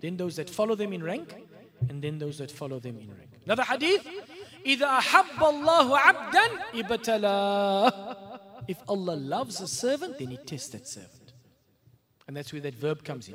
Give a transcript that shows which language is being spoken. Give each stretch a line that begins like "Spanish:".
English: Then those that follow them in rank, and then those that follow them in rank. Another hadith,
Arabic: إذا أحب الله عبدا ابتلا.
English: If Allah loves a servant, then He tests that servant. And that's where that verb comes in.